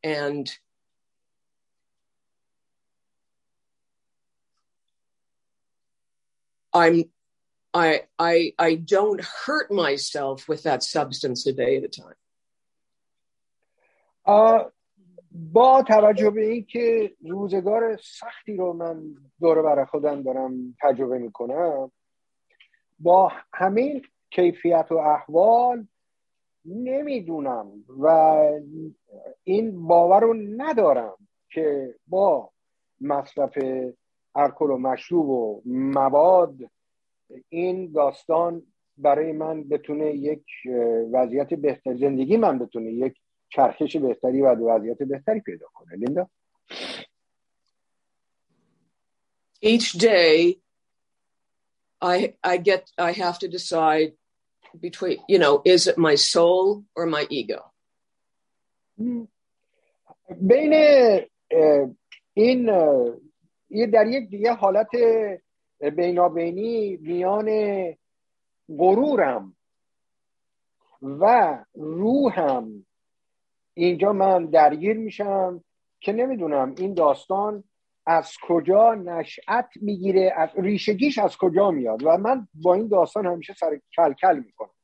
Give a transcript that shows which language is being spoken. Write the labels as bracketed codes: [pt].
[en] And I don't hurt myself with that substance a day at a time. [fa] با توجه به این که روزگار سختی رو من دور برای خودم دارم تجربه میکنم، با همین کیفیت و احوال نمیدونم و این باور رو ندارم که با مصرف الکل و مشروب و مواد این داستان برای من بتونه یک وضعیت بهتر، زندگی من بتونه یک چرخش بهتری و وضعیت بهتری پیدا کنه. لیندا، [en] each day I have to decide between, you know, is it my soul or my ego. [fa] بین این یه در یک دیگه حالت بینابینی میان غرورم و روحم، اینجا من درگیر میشم که نمیدونم این داستان از کجا نشأت میگیره، از ریشگیش از کجا میاد، و من با این داستان همیشه سر کل کل میکنم.